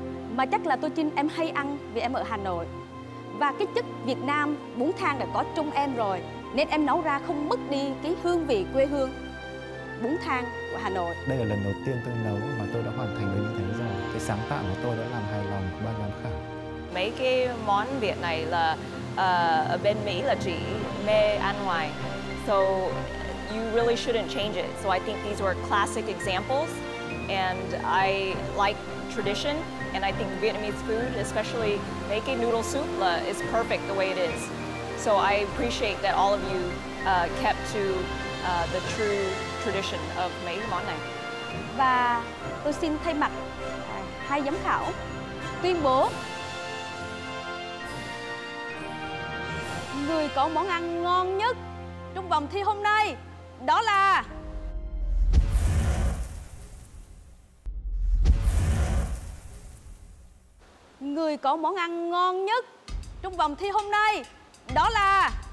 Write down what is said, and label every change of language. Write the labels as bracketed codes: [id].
[vi] Mà chắc là tôi tin em hay ăn vì em ở Hà Nội. Và cái chất Việt Nam bún thang đã có trong em rồi, nên em nấu ra không mất đi cái hương vị quê hương bún thang của Hà Nội. Đây là lần đầu tiên tôi nấu mà tôi đã hoàn thành được như thế rồi. Cái sáng tạo của tôi đã làm hài lòng ban giám khảo. mấy cái món Việt này là ở bên Mỹ là chỉ mê ăn ngoài. [en] So you really shouldn't change it. So I think these were classic examples, and I like tradition, and I think Vietnamese food, especially making noodle soup, is perfect the way it is. So I appreciate that all of you kept to the true tradition of [vi] mấy món này. Và tôi xin thay mặt hai giám khảo tuyên bố người có món ăn ngon nhất trong vòng thi hôm nay đó là người có món ăn ngon nhất trong vòng thi hôm nay đó là